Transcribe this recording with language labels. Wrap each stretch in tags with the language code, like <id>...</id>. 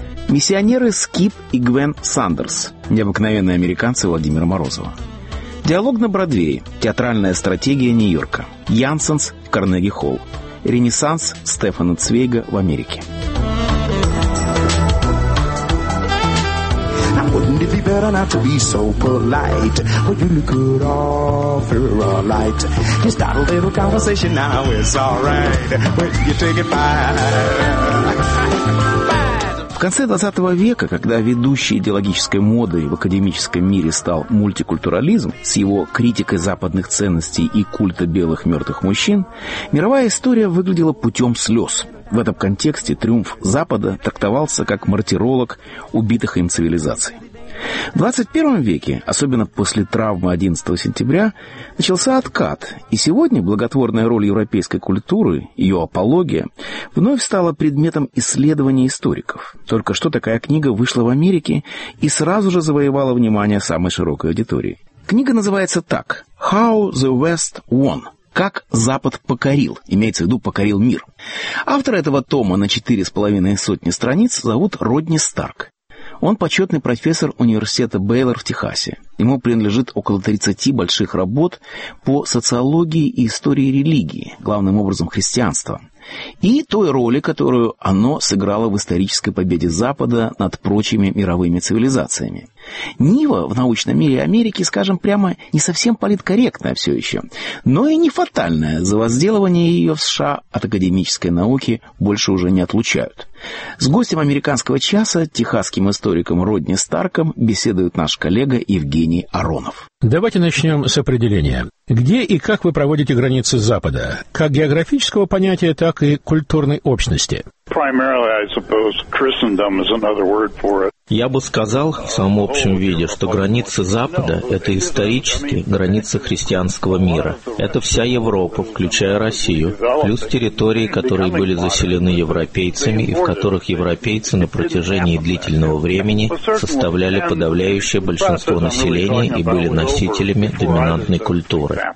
<ru>Миссионеры Скип и Гвен Сандерс. Необыкновенные американцы Владимира Морозова. Диалог на Бродвее. Театральная стратегия Нью-Йорка. Янсенс в Карнеги-Холл. Ренессанс Стефана Цвейга в Америке.</ru> <en>Wouldn't it be better not to be so polite? Well, you look good all through a light. You start a little conversation, now it's all right. Well, you take it back.</en> <ru>В конце 20 века, когда ведущей идеологической модой в академическом мире стал мультикультурализм с его критикой западных ценностей и культа белых мертвых мужчин, мировая история выглядела путем слез. В этом контексте триумф Запада трактовался как мартиролог убитых им цивилизаций. В 21 веке, особенно после травмы 11 сентября, начался откат, и сегодня благотворная роль европейской культуры, ее апология, вновь стала предметом исследования историков. Только что такая книга вышла в Америке и сразу же завоевала внимание самой широкой аудитории. Книга называется так</ru> <en>«How the West Won».</en> <ru>«Как Запад покорил», имеется в виду «покорил мир». Автор этого тома на 4,5 страниц зовут Родни Старк. Он почетный профессор университета Бейлор в Техасе. Ему принадлежит около 30 больших работ по социологии и истории религии, главным образом христианства, и той роли, которую оно сыграло в исторической победе Запада над прочими мировыми цивилизациями. Нива в научном мире Америки, скажем прямо, не совсем политкорректная все еще, но и не фатальная. За возделывание ее в США от академической науки больше уже не отлучают. С гостем «Американского часа», техасским историком Родни Старком, беседует наш коллега Евгений Аронов. Давайте начнем с определения. Где и как вы проводите границы Запада? Как географического понятия, так и культурной общности?</ru> <en>Primarily, I suppose, Christendom is another word for it.</en> <ru>Я бы сказал в самом общем виде, что границы Запада – это исторические границы христианского мира. Это вся Европа, включая Россию, плюс территории, которые были заселены европейцами и в которых европейцы на протяжении длительного времени составляли подавляющее большинство населения и были носителями доминантной культуры.</ru>